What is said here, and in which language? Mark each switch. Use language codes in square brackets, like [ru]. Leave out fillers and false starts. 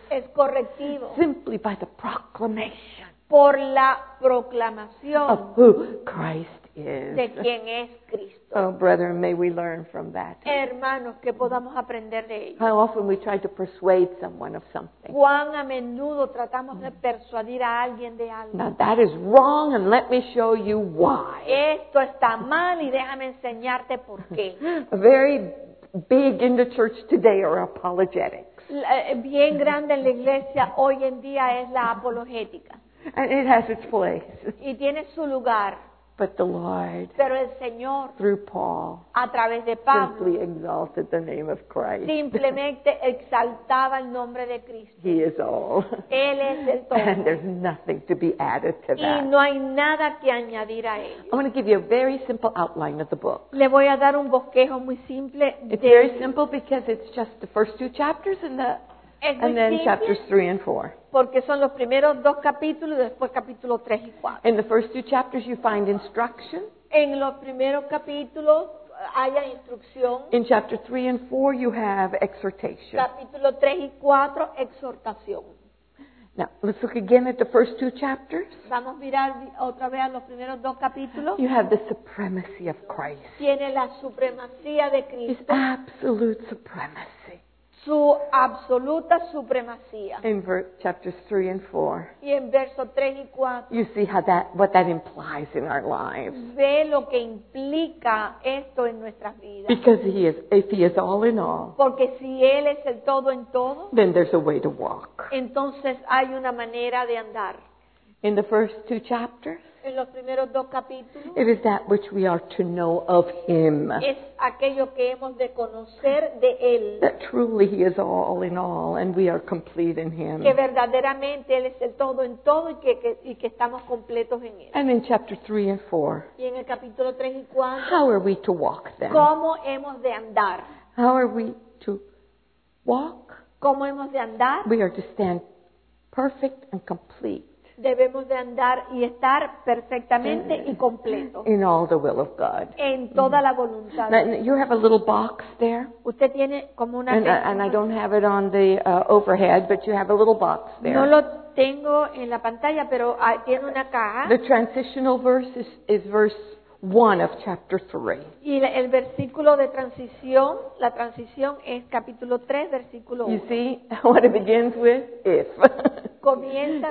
[es] Es correctivo. [en] Simply by the proclamation. [es] Por la proclamación. [en] Of who Christ. Is. [es] De quién es Cristo. [en] Oh, brethren, may we learn from that. [es] Hermanos, que podamos aprender de ello. [en] How often we try to persuade someone of something. [es] Cuán a menudo tratamos de persuadir a alguien de algo. [en] Now that is wrong, and let me show you why. [es] Esto está mal y déjame enseñarte por qué. [en] Very big in the church today are apologetics. [es] Bien grande en la iglesia hoy en día es la apologética. [en] And it has its place. [es] Y tiene su lugar. [en] But the Lord, [es] pero el Señor, [en] through Paul, [es] a través de Pablo, [en] simply exalted the name of Christ. [es] Simplemente exaltaba el nombre de Cristo. [en] He is all. [es] Él es el todo. [en] And there's nothing to be added to that. [es] Y no hay nada que añadir a él. [en] I'm going to give you a very simple outline of the book. [es] Le voy a dar un bosquejo muy simple. [en] It's very simple because it's just the first two chapters in the and then chapters 3 and 4. [es] Porque son los primeros dos capítulos y después capítulo 3 y 4. [en] In the first two chapters you find instruction. [es] En los primeros capítulos hay instrucción. [en] In chapter 3 and 4 you have exhortation. [es] Capítulo 3 y 4, exhortación. [en] Now, let's look again at the first two chapters. [es] Vamos a mirar otra vez a los primeros dos capítulos. [en] You have the supremacy of Christ. [es] Tiene la supremacía de Cristo. [en] His absolute supremacy. [es] Su absoluta supremacía. [en] In chapters 3 and 4. [es] Y en verso 3 y 4. [en] You see how that, what that implies in our lives. [es] Ve lo que implica esto en nuestras vidas. [en] Because he is, if he is all in all. [es] Porque si él es el todo en todo. [en] Then there's a way to walk. [es] Entonces hay una manera de andar. [en] In the first two chapters. [es] En los primeros dos capítulos, [en] it is that which we are to know of him. [es] Es aquello que hemos de conocer de él. [en] That truly he is all in all and we are complete in him. [es] Que verdaderamente él es el todo en todo y que estamos completos en él. [en] And in chapter 3 and 4. [es] Y en el capítulo 3 y 4. [en] How are we to walk then? [es] ¿Cómo hemos de andar? [en] How are we to walk? [es] ¿Cómo hemos de andar? [en] We are to stand perfect and complete. [es] Debemos de andar y estar perfectamente y completo. [en] In all the will of God. [es] En toda la voluntad. [en] Now, you have a little box there. [es] Usted tiene como una [en] and I don't have it on the overhead, but you have a little box there. [es] No lo tengo en la pantalla, pero tiene una caja. [en] The transitional verse is verse 1 of chapter 3. [es] Y el versículo de transición, la transición es capítulo 3, versículo 1. [en] You see what it begins with? If. [es] Comienza